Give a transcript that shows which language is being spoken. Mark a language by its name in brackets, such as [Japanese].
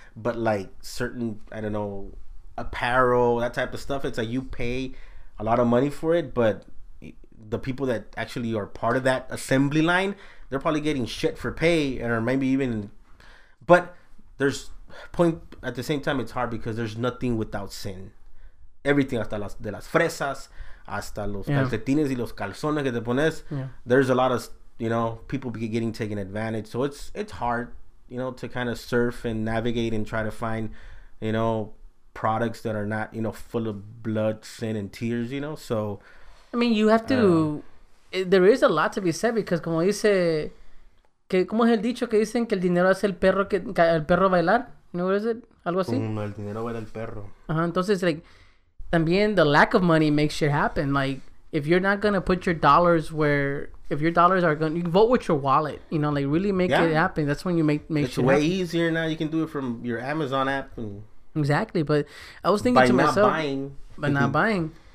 [English] But like certain, I don't know, apparel, that type of stuff, it's like you pay a lot of money for it, but the people that actually are part of that assembly line, they're probably getting shit for pay, or maybe even, but there's point at the same time, it's hard because there's nothing without sin. [Spanish] Everything, hasta las de las fresas, hasta los calcetines y los calzones que te pones. [English] Yeah. There's a lot of, you know, people getting taken advantage. So it's hard, you know, to kind of surf and navigate and try to find, you know, products that are not, you know, full of blood, sin, and tears, you know. So, I mean, you have to, there is a lot to be said because, [Spanish] como dice, que, como es el dicho que dicen que el dinero hace el perro, que, el perro bailar. [English] No, what is it? [Spanish] Algo así. El dinero baila el perro. [English] Uh-huh. Entonces, like, también the lack of money makes shit happen. Like, if you're not going to put your dollars where, if your dollars are going, you can vote with your wallet. You know, like, really make it happen. That's when you make shit happen. It's way easier now. You can do it from your Amazon app. And exactly. But I was thinking to myself. By not buying.